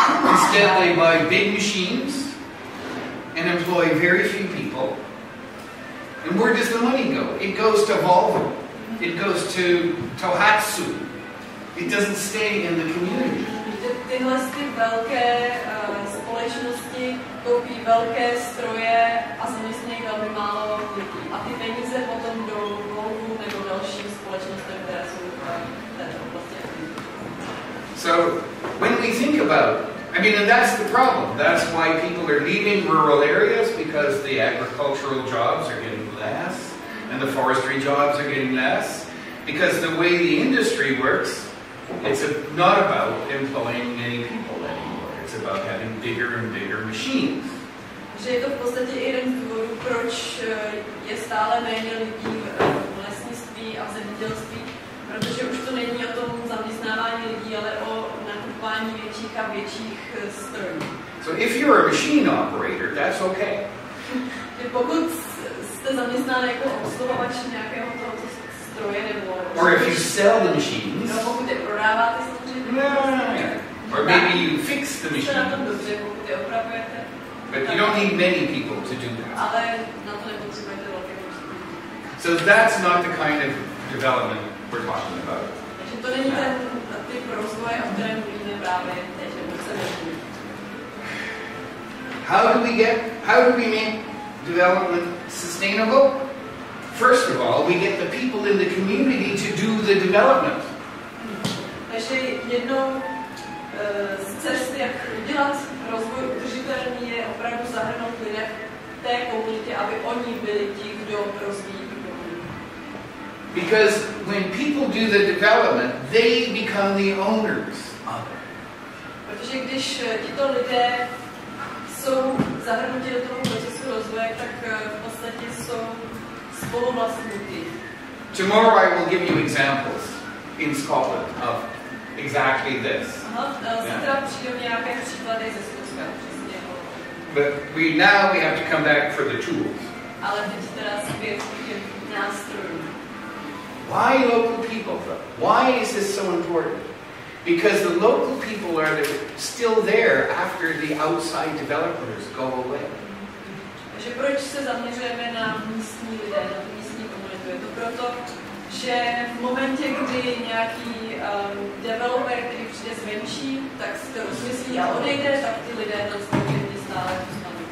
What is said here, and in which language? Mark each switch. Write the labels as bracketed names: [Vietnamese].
[English] Instead, they buy big machines and employ very few people. And where does the money go? It goes to Volvo. It goes to Tohatsu. It doesn't stay in the community. [Czech] Tyhle ty velké společnosti koupí velké stroje a zaměstnají velmi málo lidí. A ty peníze potom jdou Volvo nebo dalším společnostem, které jsou v této oblasti. [English] So, when we think about and that's the problem. That's why people are leaving rural areas, because the agricultural jobs are getting less, and the forestry jobs are getting less, because the way the industry works, it's not about employing many people anymore. It's about having bigger and bigger machines. [Czech] Že je to v podstatě jeden z důvodů, proč je stále méně lidí v lesnictví a v zemědělství, protože už to není o tom zaměstnávání lidí, ale o nakupování větších a větších strojů. [English] So if you're a machine operator, that's okay. [Czech] Pokud jste zaměstnán jako obsluhovač nějakého toho stroje nebo... [English] Or if you sell the machines. [Czech] No, pokud je prodáváte samozřejmě. [English] Yeah. Or maybe you fix the machines. [Czech] Na tom dobře, pokud je opravujete. [English] But you don't need many people to do that. [Czech] Ale na to nepotřebujete velké množství. [English] So that's not the kind of development we're talking about. [Czech] Takže to není ten typ rozvoje, o kterém mluvíme právě teď, nebo se [English] How do we make development sustainable? First of all, we get the people in the community to do the development. [Czech] Takže jednou z cest, jak udělat rozvoj udržitelný, je opravdu zahrnout lidé té komunity, aby oni byli ti, kdo rozvíjí. [English] Because when people do the development, they become the owners of it. [Czech] Protože když tito lidé jsou zahrnuti do toho procesu rozvoje, tak v podstatě jsou spoluvlastníky. [English] Tomorrow I will give you examples in Scotland of exactly this. [Czech] Zítra přijdou nějaké příklady ze Skotska. [English] But we have to come back for the tools. [Czech] Ale teď teda zpět k těm nástrojům. [English] Why local people? Why is this so important? Because the local people are still there after the outside developers go away. [Czech] Že proč se zaměřujeme na místní lidé, na místní komunitu? Je to proto, že v momentě, kdy nějaký developer, který přijde zvenčí, tak si to rozmyslí a odejde, tak ty lidé tam stále zůstanou.